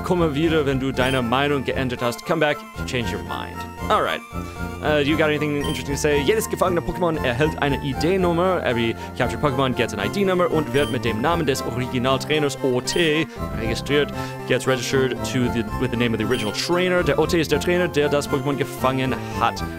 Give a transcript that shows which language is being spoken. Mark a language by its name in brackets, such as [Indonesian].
[German] Komm wieder, wenn du deine Meinung geändert hast. [English] Come back. Change your mind. Alright. You got anything interesting to say? [German] Jedes gefangene Pokémon erhält eine ID-Nummer. [English] Every captured Pokémon gets an ID-Number [German] und wird mit dem Namen des Originaltrainers OT registriert. [English] Gets registered to the with the name of the original trainer. [German] Der OT ist der Trainer, der das Pokémon gefangen hat.